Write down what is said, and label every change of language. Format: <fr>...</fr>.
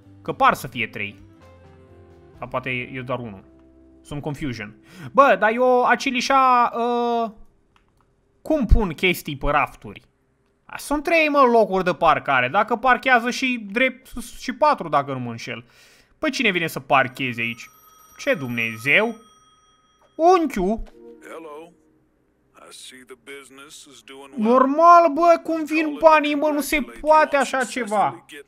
<ro>Că par să fie 3. Sau poate e doar unul. Sunt confusion. Bă, dar eu acilișa... cum pun chestii pe rafturi? Sunt 3, mă, locuri de parcare, dacă parchează și drept și 4, dacă nu mă înșel. Păi cine vine să parcheze aici? Ce Dumnezeu? Unchiu? Hello.</ro> <en>I see the business is doing well.</en> <ro>Normal, bă, cum vin banii, mă, nu se poate așa ceva.</ro>